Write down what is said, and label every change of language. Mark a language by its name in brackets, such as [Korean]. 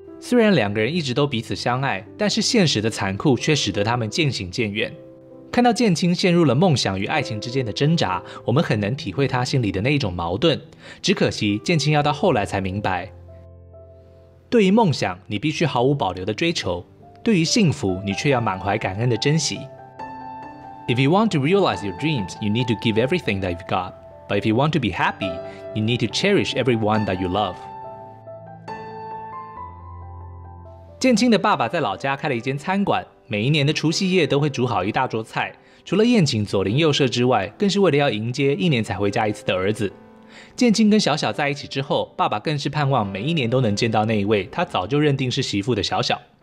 [Chinese] 虽然两个人一直都彼此相爱，但是现实的残酷却使得他们渐行渐远。看到建青陷入了梦想与爱情之间的挣扎，我们很能体会他心里的那一种矛盾。只可惜建青要到后来才明白，对于梦想你必须毫无保留的追求，对于幸福你却要满怀感恩的珍惜。 [English] If you want to realize your dreams, you need to give everything that you've got. But if you want to be happy, you need to cherish everyone that you love. [Chinese] 建青的爸爸在老家开了一间餐馆，每一年的除夕夜都会煮好一大桌菜，除了宴请左邻右舍之外，更是为了要迎接一年才回家一次的儿子。建青跟小小在一起之后，爸爸更是盼望每一年都能见到那一位他早就认定是媳妇的小小。